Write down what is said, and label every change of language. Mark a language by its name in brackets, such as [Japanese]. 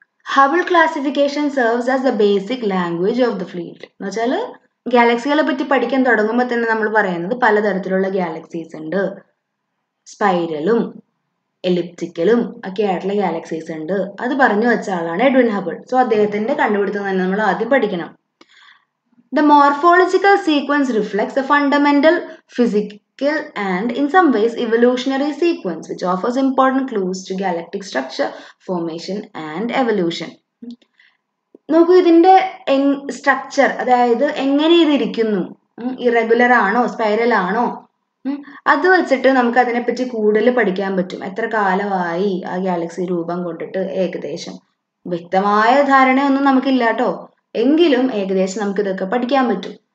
[English] Hubble classification serves as the basic language of the field. [Malayalam] എന്ന് വെച്ചാൽ ഗാലക്സികളെ പറ്റി പഠിക്കാൻ തുടങ്ങുമ്പോൾ തന്നെ നമ്മൾ പറയുന്നത് പലതരത്തിലുള്ള ഗാലക്സീസ് ഉണ്ട്, സ്പൈറലും എലിപ്റ്റിക്കലും ഒക്കെ ആയിട്ടുള്ള ഗാലക്സീസ് ഉണ്ട്. അത് പറഞ്ഞു വെച്ച ആളാണ് എഡ്വിൻ ഹബിൾ. സോ അദ്ദേഹത്തിന്റെ കണ്ടുപിടുത്തം തന്നെ നമ്മൾ ആദ്യം പഠിക്കണം. [English] The morphological sequence reflects a fundamental physics skill and in some ways evolutionary sequence which offers important clues to galactic structure formation and evolution. [Malayalam] നോക്കൂ, ഇതിന്റെ സ്ട്രക്ചർ അതായത് എങ്ങനെ ഇത് ഇരിക്കുന്നു, ഇറഗുലർ ആണോ സ്പൈറൽ ആണോ, അത് വെച്ചിട്ട് നമുക്ക് അതിനെ പറ്റി കൂടുതൽ പഠിക്കാൻ പറ്റും. എത്ര കാലമായി ആ ഗാലക്സി രൂപം കൊണ്ടിട്ട്, ഏകദേശം വ്യക്തമായ ധാരണയൊന്നും നമുക്കില്ല കേട്ടോ, എങ്കിലും ഏകദേശം നമുക്ക് ഇതൊക്കെ പഠിക്കാൻ പറ്റും.